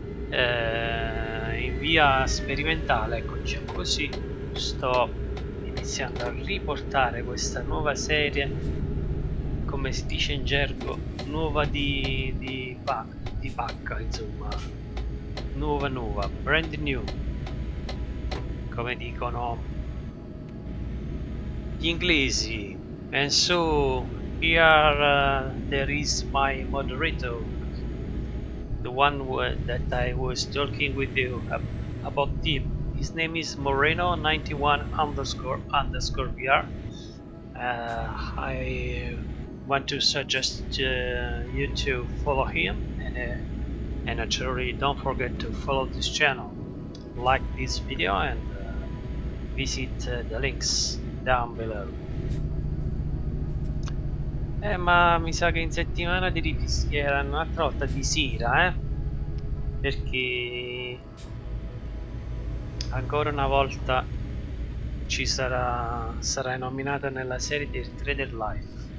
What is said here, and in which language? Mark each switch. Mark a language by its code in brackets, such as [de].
[it] in via sperimentale, ecco, diciamo così, sto iniziando a riportare questa nuova serie, come si dice in gergo, nuova di pacca, insomma, nuova nuova, [en] brand new, [it] come dicono gli inglesi. [en] And so here there is my moderator, the one that I was talking with you about him. His name is Moreno 91 underscore VR. I want to suggest you to follow him, and naturally don't forget to follow this channel, like this video, and visit the links down below. [it] Ma mi sa che in settimana ti rifischierà un'altra volta di sera, perché ancora una volta sarai nominata nella serie del Trader Life.